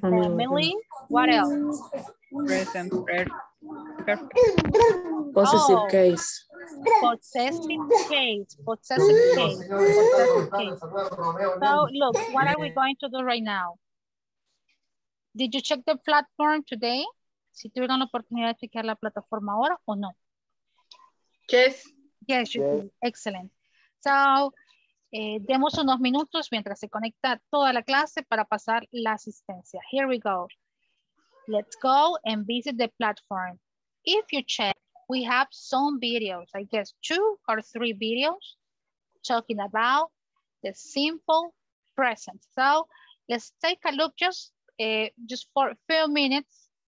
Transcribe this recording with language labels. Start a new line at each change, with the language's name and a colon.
English: Family. What else? Present perfect. Possessive case. Possessive case. Possessive case. Possessive case. So look, what are we going to do right now? Did you check the platform today?
Spanish: Si tuvieron la oportunidad de chequear la plataforma ahora o no.
English: Yes. Yes, you did. Excellent. So,
Spanish: demos unos minutos mientras se conecta toda la clase para pasar la asistencia.
English: Here we go. Let's go and visit the platform. If you check, we have some videos, I guess 2 or 3 videos talking about the simple present. So, let's take a look just for a few minutes.